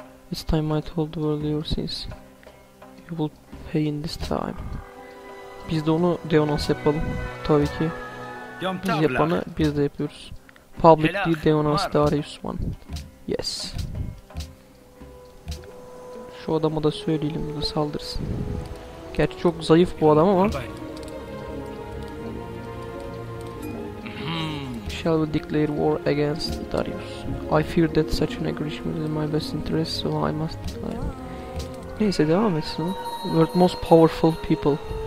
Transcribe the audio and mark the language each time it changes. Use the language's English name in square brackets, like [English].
[English] This time I told the world your sins. You will pay in this time. [Turkish] Biz de onu Deonance yapalım. Tabii ki. Biz yapanı biz de yapıyoruz. [English] Publicly denounce the Arius one. Yes. [Turkish] Şu adama da söyleyelim bunu saldırsın. Gerçi çok zayıf bu adam ama. [English] Shall we declare war against Darius? I fear that such an agreement is in my best interest, so I must decline. [Turkish] Neyse devam etsin. [English] World most powerful people.